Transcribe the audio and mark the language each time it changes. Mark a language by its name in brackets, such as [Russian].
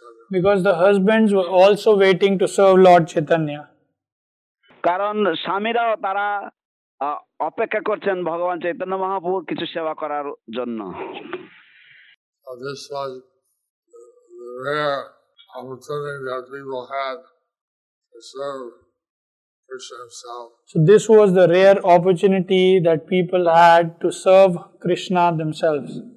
[English] Because the husbands were also waiting to serve Lord Chaitanya. [Bangla] কারণ স্বামীরাও তারা অপেক্ষা করছেন ভগবান চৈতন্য মহাপ্রভুর কিছু সেবা করার জন্য। [English] This was the rare opportunity that people had to serve Krishna himself. So this was the rare opportunity that people had to serve Krishna themselves.